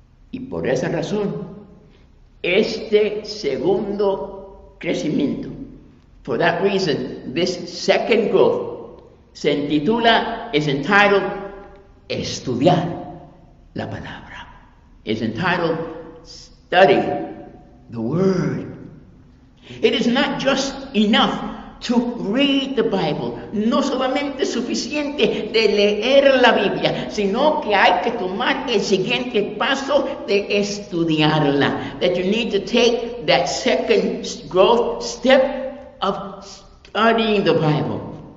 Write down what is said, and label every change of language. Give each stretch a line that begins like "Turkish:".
Spanish: Y por esa razón, este segundo crecimiento,
English: for that reason, this second growth,
Spanish: se titula,
English: is entitled,
Spanish: Estudiar la Palabra.
English: It's entitled, Study the Word. It is not just enough to read the Bible.
Spanish: No solamente es suficiente de leer la Biblia, sino que hay que tomar el siguiente paso de estudiarla.
English: That you need to take that second growth step of studying the Bible.